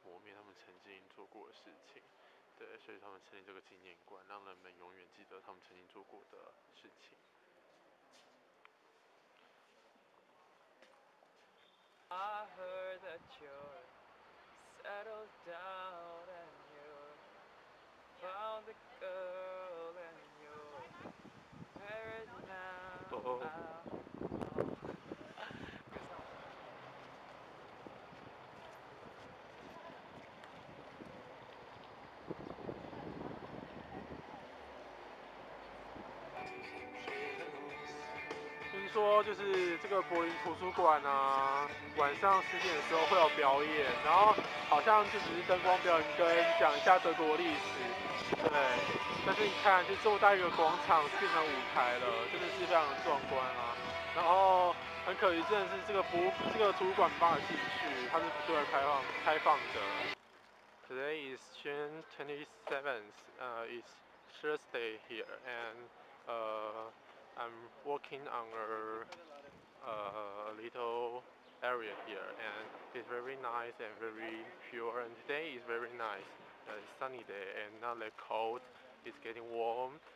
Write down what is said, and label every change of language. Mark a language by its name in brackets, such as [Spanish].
[Chinese] 我们现在在的是那个犹太人屠杀纪念馆，这个名称听起来真的是有点，不是说很好，但是对德国却是一个难忘的回忆。对，那相较于德国，其实，反正就是对德国战争像是一个很难忘的回忆啦。对啊，那德国人真的非常积极的想要去挽救这段难忘历史，去磨灭他们曾经做过的事情。对，所以他们成立这个纪念馆，让人们永远记得他们曾经做过的事情。 I [English] heard that you're settled down and you found a girl and you're married now. Oh. [Chinese] 说就是这个柏林图书馆啊，晚上十点的时候会有表演，然后好像就只是灯光表演跟讲一下德国历史，对。但是你看，就这么大一个广场变成舞台了，真的是非常壮观啊。然后很可惜，真的是这个图书馆没办法进去，它是不对外开放的。 [English] Today is June 27th. It's Thursday here, and I'm working on a little area here, and it's very nice and very pure. And today is very nice, sunny day, and not that cold. It's getting warm.